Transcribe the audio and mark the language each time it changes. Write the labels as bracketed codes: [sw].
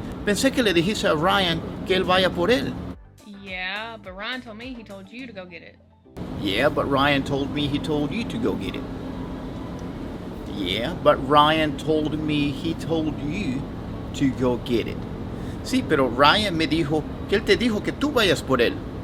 [es] Pensé que le dijiste a Ryan que él vaya por él. [en] Yeah, but Ryan told me he told you to go get it. Yeah, but Ryan told me he told you to go get it. Yeah, but Ryan told me he told you to go get it. [es] Sí, pero Ryan me dijo que él te dijo que tú vayas por él.